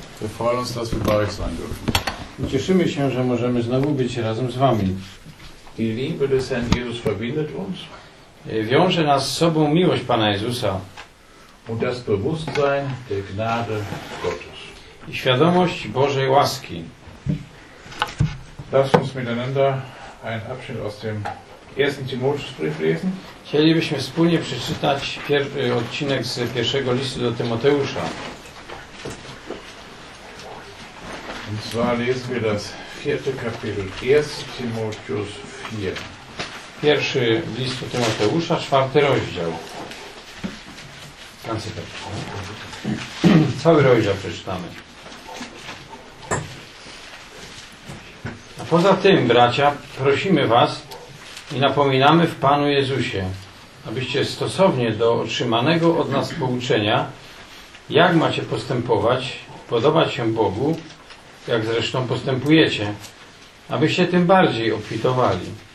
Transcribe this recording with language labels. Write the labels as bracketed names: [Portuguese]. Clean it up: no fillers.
[German] wir freuen uns, dass wir bei euch sein dürfen. [Polish] Cieszymy się, że możemy znowu być razem z wami. [German] Die Liebe des Herrn Jesus verbindet uns. [Polish] Wiąże nas z sobą miłość Pana Jezusa. [German] Und das Bewusstsein der Gnade Gottes. [Polish] I świadomość Bożej łaski. [German] Lasst uns miteinander einen Abschnitt aus dem 1. Timotheusbrief lesen. [Polish] Chcielibyśmy wspólnie przeczytać odcinek z pierwszego listu do Tymoteusza. [German] Und zwar lesen wir das vierte Kapitel, 1. Timotheus 4. [Polish] Pierwszy list do Tymoteusza, czwarty rozdział. Cały rozdział przeczytamy. A poza tym, bracia, prosimy was i napominamy w Panu Jezusie, abyście stosownie do otrzymanego od nas pouczenia, jak macie postępować, podobać się Bogu, jak zresztą postępujecie, abyście tym bardziej obfitowali.